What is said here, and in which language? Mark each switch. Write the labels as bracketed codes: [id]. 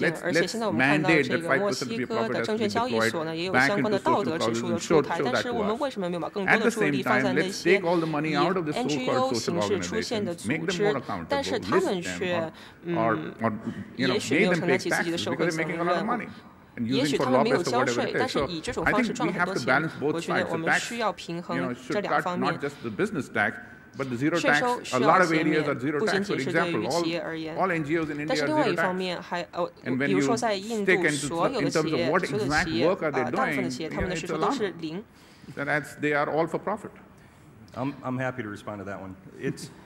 [en] Let's mandate that 5% of your profit has to be deployed back into social causes and show that to us. At the same time, let's take all the money out of the so-called social organizations, make them more accountable, list them, or you know, pay them pay taxes because they're making a lot of money. [zh] 也许他们没有交税，但是以这种方式赚了很多钱。我觉得我们需要平衡这两方面。 [en] But the zero tax, a lot of areas are zero tax. For example, all NGOs in India are zero tax. And when you stick in terms of what exact work are they doing, you know, it's a lot. That's, they are all for profit. I'm happy to respond to that one. It's,